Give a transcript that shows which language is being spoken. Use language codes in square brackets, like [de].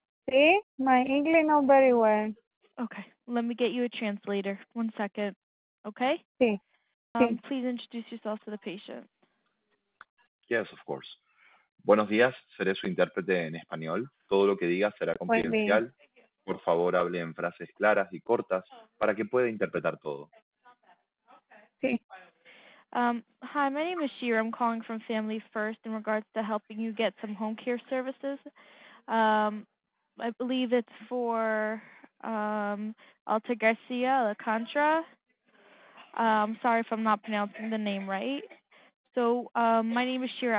[en] See, my English not very well. Okay, let me get you a translator. One second, okay? [es] Sí. [en] Please introduce yourself to the patient. Yes, of course. [es] Buenos días, seré su intérprete en español. Todo lo que diga será Buen día. confidencial. Por favor, hable en frases claras y cortas para que pueda interpretar todo. [en] Hi, my name is Shira. I'm calling from Family First in regards to helping you get some home care services. I believe it's for Alta Garcia Alcantara. Sorry if I'm not pronouncing the name right. So my name is Shira.